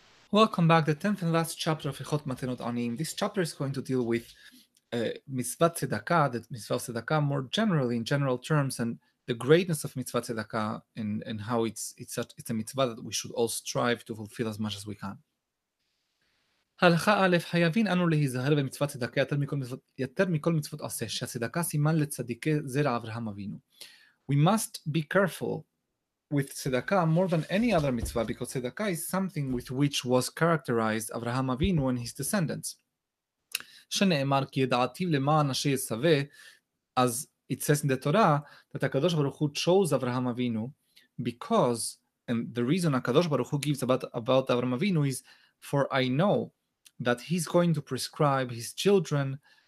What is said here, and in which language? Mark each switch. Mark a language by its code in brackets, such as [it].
[en] Welcome back. The 10th and last chapter of Hilchot Matenot Anim. This chapter is going to deal with Mitzvah Tzedakah, the Mitzvah Tzedakah more generally, in general terms, and the greatness of Mitzvah Tzedakah and how it's a Mitzvah that we should all strive to fulfill as much as we can. [he] הלכה א', חייבין אנו להיזהר במצוות צדקה יותר מכל מצוות עשה, שהצדקה סימן לצדיקי זרע אברהם אבינו. [en] We must be careful with tzedakah more than any other mitzvah, because tzedakah is something with which was characterized Avraham Avinu and his descendants. [he] שנאמר כי ידעתיו למען אשר יצווה, [en] as it says in the Torah, that הקדוש ברוך הוא chose Avraham Avinu because, and the reason הקדוש ברוך הוא gives about Avraham Avinu is, for I know that he's going to prescribe his children